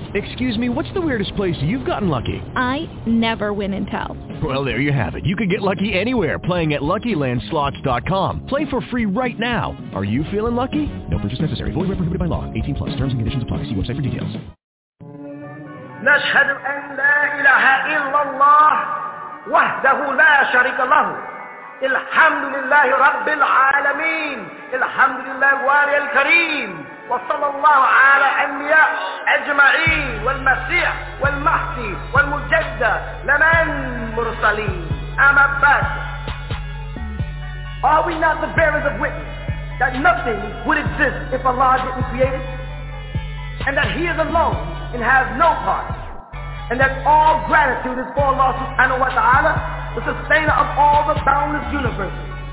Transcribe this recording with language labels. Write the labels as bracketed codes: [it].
[en] Excuse me, what's the weirdest place you've gotten lucky? I never win and tell. Well, there you have it. You can get lucky anywhere, playing at LuckyLandSlots.com. Play for free right now. Are you feeling lucky? No purchase necessary. Void where prohibited by law. 18 plus. Terms and conditions apply. See website for details. [ar] نشهد أن لا إله إلا الله وحده لا شريك له الحمد لله رب العالمين الحمد لله الوالي الكريم وصلى الله على أنبياء أجمعين والمسيح والمهدي والمجدد لمن مرسلين أما بعد. [en] Are we not the bearers of witness that nothing would exist if Allah didn't create it, and that He is alone and has no part, and that all gratitude is for Allah [ar] subhanahu wa ta'ala, [en] the sustainer of all the boundless universes.